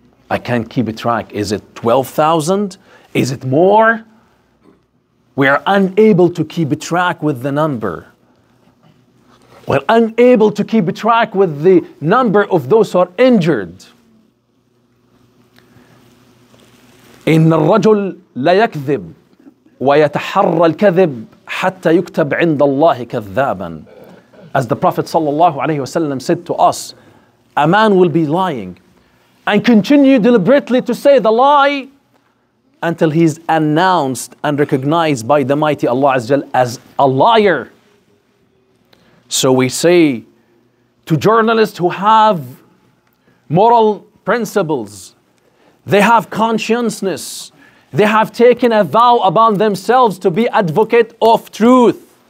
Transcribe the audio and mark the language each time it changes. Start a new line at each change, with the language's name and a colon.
English: I can't keep a track. Is it 12,000? Is it more? We are unable to keep track with the number. We're unable to keep track with the number of those who are injured.
Arabic: إن الرجل لا يكذب ويتحرى الكذب حتى يكتب عند الله كذابا.
English: As the Prophet
Arabic: صلى الله عليه وسلم
English: said to us, a man will be lying and continue deliberately to say the lie until he's announced and recognized by the mighty Allah Azza wa Jalla as a liar. So we say to journalists who have moral principles, they have consciousness, they have taken a vow upon themselves to be advocate of truth.